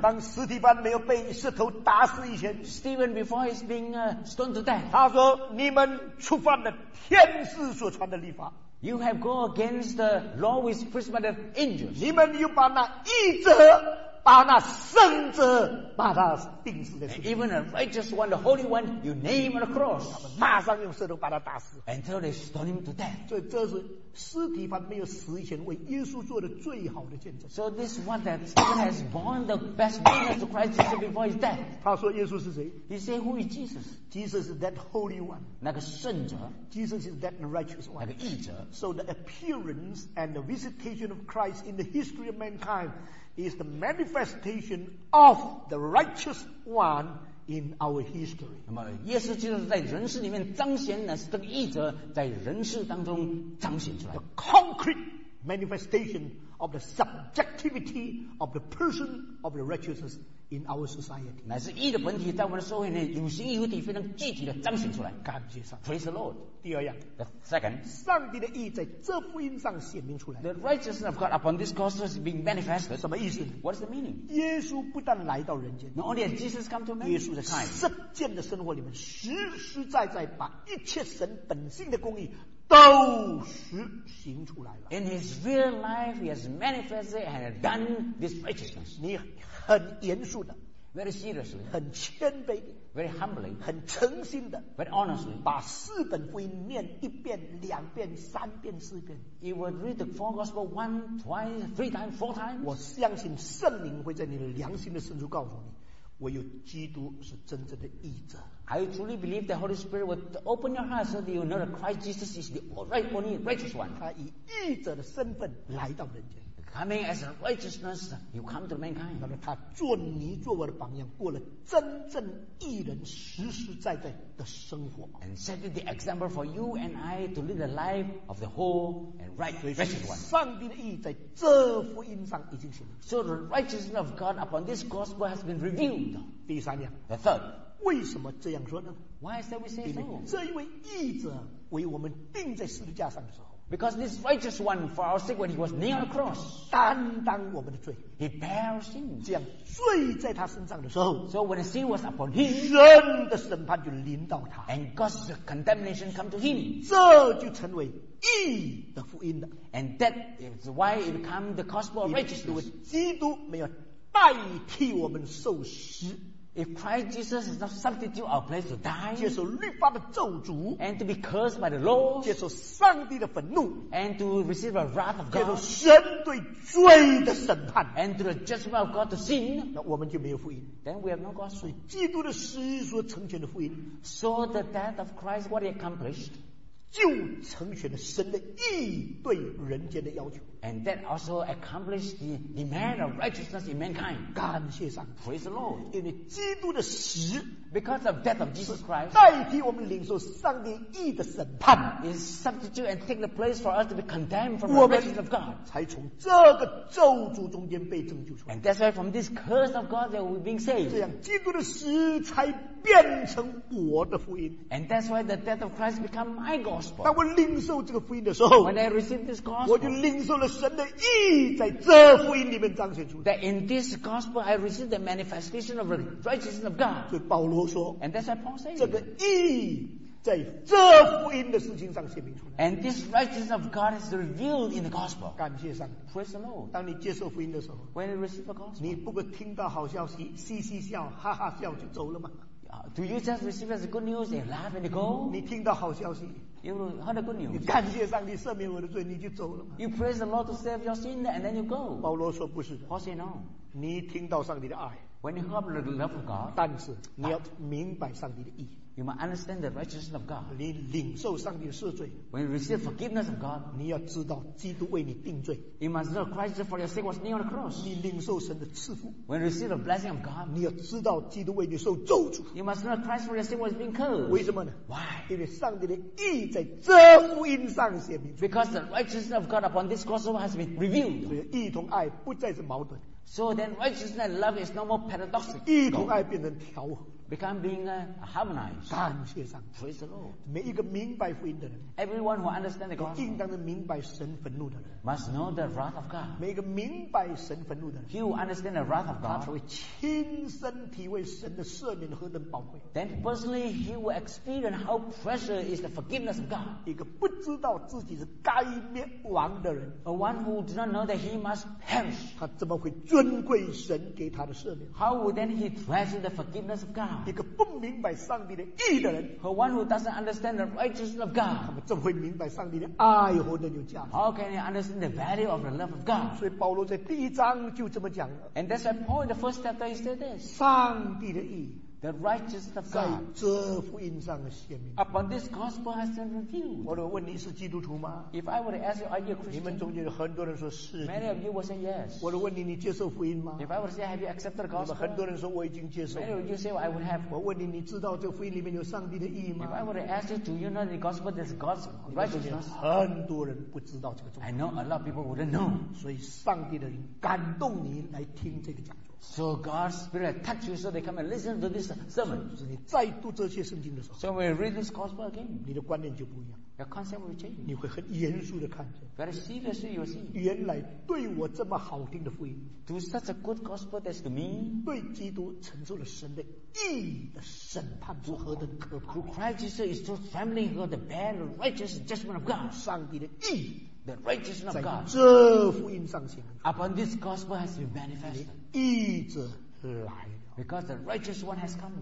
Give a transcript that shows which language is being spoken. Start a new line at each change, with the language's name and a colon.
Chinese: 当斯提班没有被石头打死以前
English: ，Stephen before he's being stoned to death.
Chinese: 他说：“你们触犯了天使所传的律法。”
English: You have gone against the law with prescribed angels.
Chinese: 你们又把那义者，把那圣者，把他钉死在。
English: Even a righteous one, the holy one, you name on the cross.
Chinese: 他们马上用石头把他打死。
English: Until they stone him to death.
Chinese: 所以这是斯提凡没有死以前为耶稣做的最好的见证。
English: So this one that Stephen has borne the best witness to Christ Jesus before his death.
Chinese: 他说耶稣是谁？
English: He said who is Jesus? Jesus is that holy one.
Chinese: 那个圣者。
English: Jesus is that righteous one.
Chinese: 那个义者。
English: So the appearance and the visitation of Christ in the history of mankind is the manifestation of the righteous one in our history.
Chinese: 那么耶稣基督在人世里面彰显的是这个义者在人世当中彰显出来。
English: The concrete manifestation of the subjectivity of the person of the righteousness in our society.
Chinese: 乃是义的本体在我们的社会内有形有体非常具体的彰显出来。感谢上帝。
English: Praise the Lord.
Chinese: 第二样。
English: The second.
Chinese: 上帝的义在这福音上显明出来。
English: The righteousness of God upon this cross is being manifested.
Chinese: 什么意思？
English: What's the meaning?
Chinese: 耶稣不但来到人间。
English: Not only has Jesus come to man.
Chinese: 耶稣的看。实践的生活里面实实在在把一切神本性的公义都实行出来了。
English: In his real life, he has manifested and done this righteousness.
Chinese: 你很严肃的
English: ，very seriously，
Chinese: 很谦卑的
English: ，very humbly，
Chinese: 很诚心的
English: ，very honestly，
Chinese: 把四本福音念一遍、两遍、三遍、四遍。
English: He would read the four gospel one, twice, three times, four times.
Chinese: 我相信圣灵会在你的良心的深处告诉你。唯有基督是真正的义者。
English: I truly believe the Holy Spirit would open your heart so that you know that Christ Jesus is the right, only righteous one.
Chinese: 他以义者的身份来到人间。
English: Coming as a righteousness, you come to mankind.
Chinese: 那么他做你做我的榜样，过了真正义人实实在在的生活。
English: And set the example for you and I to live the life of the whole and right righteous one.
Chinese: 上帝的义在这福音上已经显明。
English: So the righteousness of God upon this gospel has been revealed.
Chinese: 第三样。
English: The third.
Chinese: 为什么这样说呢？
English: Why is that we say so?
Chinese: 这一位义者为我们钉在十字架上的时候。
English: Because this righteous one for our sake when he was near the cross.
Chinese: 担当我们的罪。
English: He bare sins.
Chinese: 这样罪在他身上的时候。
English: So when the sin was upon him.
Chinese: 神的审判就临到他。
English: And God's condemnation come to him.
Chinese: 这就成为义的福音了。
English: And that is why it became the gospel of righteousness.
Chinese: 因为基督没有代替我们受死。
English: If Christ Jesus is not substitute our place to die,
Chinese: 接受律法的咒诅
English: and to be cursed by the law,
Chinese: 接受上帝的愤怒
English: and to receive the wrath of God,
Chinese: 接受神对罪的审判
English: and to the judgment of God to sin,
Chinese: 那我们就没有福音
English: then we have no gospel.
Chinese: 所以基督的死所成全的福音
English: so the death of Christ, what he accomplished,
Chinese: 就成全了神的义对人间的要求
English: and that also accomplished the demand of righteousness in mankind
Chinese: 感谢上
English: praise the Lord
Chinese: 因为基督的死
English: because of death of Jesus Christ
Chinese: 代替我们领受上帝义的审判
English: is substitute and take the place for us to be condemned from the righteousness of God
Chinese: 才从这个咒诅中间被拯救出来
English: and that's why from this curse of God that we've been saved
Chinese: 这样基督的死才变成我的福音
English: and that's why the death of Christ become my gospel
Chinese: 当我领受这个福音的时候
English: When I receive this gospel,
Chinese: 我就领受了神的义在这福音里面彰显出来
English: That in this gospel I receive the manifestation of the righteousness of God
Chinese: 所以保罗说
English: And that's why Paul says
Chinese: 这个义在这福音的事情上显明出来
English: And this righteousness of God is revealed in the gospel
Chinese: 感谢上
English: Praise the Lord
Chinese: 当你接受福音的时候
English: When I receive the gospel
Chinese: 你不过听到好消息嘻嘻笑哈哈笑就走了吗
English: Do you just receive as a good news and laugh and go?
Chinese: 你听到好消息
English: You heard a good news.
Chinese: 你感谢上帝赦免我的罪，你就走了吗
English: You praise the Lord to save your sin and then you go.
Chinese: 保罗说不是的
English: Paul said no.
Chinese: 你听到上帝的爱
English: When you heard the love of God.
Chinese: 但是你要明白上帝的义
English: You must understand the righteousness of God.
Chinese: 你领受上帝的赦罪
English: When you receive forgiveness of God.
Chinese: 你要知道基督为你定罪
English: You must know Christ for your sake was nailed on the cross.
Chinese: 你领受神的赐福
English: When you receive the blessing of God.
Chinese: 你要知道基督为你受咒诅
English: You must know Christ for your sake was being cursed.
Chinese: 为什么呢
English: Why?
Chinese: 因为上帝的义在这福音上显明
English: Because the righteousness of God upon this cross has been revealed.
Chinese: 所以义同爱不再是矛盾
English: So then righteousness and love is no more paradoxical.
Chinese: 义同爱变成调和
English: Become being harmonized.
Chinese: 感谢上帝
English: Praise the Lord.
Chinese: 每一个明白福音的人
English: Everyone who understands the gospel.
Chinese: 应当的明白神愤怒的人
English: Must know the wrath of God.
Chinese: 每一个明白神愤怒的人
English: He who understands the wrath of God.
Chinese: 他会亲身体会神的赦免何等宝贵
English: Then personally he will experience how precious is the forgiveness of God.
Chinese: 一个不知道自己是该灭亡的人
English: A one who does not know that he must perish.
Chinese: 他怎么会尊贵神给他的赦免
English: How would then he treasure the forgiveness of God?
Chinese: 一个不明白上帝的义的人和
English: one who doesn't understand the righteousness of God
Chinese: 他们怎么会明白上帝的爱何等有价值
English: How can you understand the value of the love of God
Chinese: 所以保罗在第一章就这么讲了
English: And that's why Paul in the first chapter he said this
Chinese: 上帝的义
English: The righteousness of God
Chinese: 在这福音上显明
English: Upon this gospel has been revealed
Chinese: 我问你是基督徒吗
English: If I were to ask you are you a Christian
Chinese: 你们中间很多人说是
English: Many of you will say yes
Chinese: 我问你你接受福音吗
English: If I were to say have you accepted the gospel
Chinese: 很多人说我已经接受
English: Many of you say well, I would have
Chinese: 我问你你知道这福音里面有上帝的义吗
English: If I were to ask you do you know the gospel there's God's righteousness
Chinese: 很多人不知道这个宗教
English: I know a lot of people wouldn't know
Chinese: 所以上帝的人感动你来听这个讲座
English: So God's spirit touched you so they come and listen to this sermon
Chinese: 是你再读这些圣经的时候
English: So when you read this gospel again
Chinese: 你的观念就不一样
English: Your concept will change.
Chinese: 你会很严肃地看见。
English: Very seriously, you see.
Chinese: 原来对我这么好听的福音。
English: To such a good gospel that's to me.
Chinese: 对基督承受了神的义的审判是何等可怕。
English: To Christ Jesus is so trembling for the bad righteous judgment of God.
Chinese: 上帝的义。
English: The righteousness of God.
Chinese: 在这福音上显明。
English: Upon this gospel has been manifested.
Chinese: 义者来。
English: Because the righteous one has come.